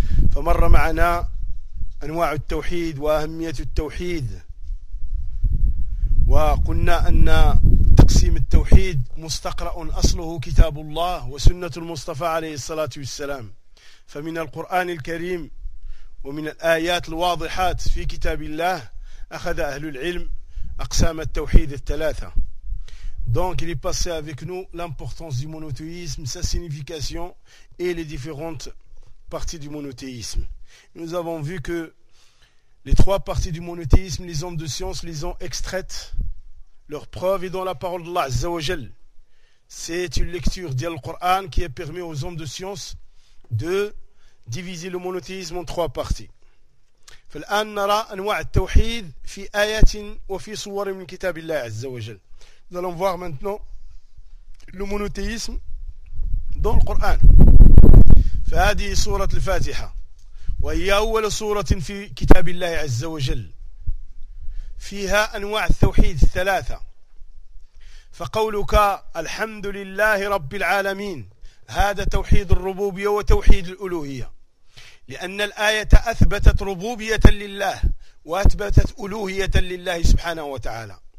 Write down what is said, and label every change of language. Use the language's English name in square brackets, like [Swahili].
[Arabic] فمر معنا أنواع التوحيد وأهمية التوحيد، وقلنا أن تقسيم التوحيد مستقرأ أصله كتاب الله وسنة المصطفى عليه الصلاة والسلام، فمن القرآن الكريم ومن الآيات الواضحات في كتاب الله أخذ أهل العلم أقسام التوحيد الثلاثة. [French] Donc il est passé avec nous l'importance du monothéisme, sa signification et les différentes parties du monothéisme. Nous avons vu que les trois parties du monothéisme, les hommes de science les ont extraites. Leur preuve est dans la parole d'Allah Azza wa Jal. C'est une lecture du Coran qui a permis aux hommes de science de diviser le monothéisme en trois parties. [Arabic] فالآن نرى أنواع التوحيد في آيات وفي صور من كتاب الله عز وجل. [French] Nous allons voir maintenant le monothéisme dans le Coran. [Arabic] فهذه سورة الفاتحة وهي أول سورة في كتاب الله عز وجل. فيها أنواع التوحيد الثلاثة، فقولك الحمد لله رب العالمين هذا توحيد الربوبية وتوحيد الألوهية، لأن الآية أثبتت ربوبية لله وأثبتت ألوهية لله سبحانه وتعالى،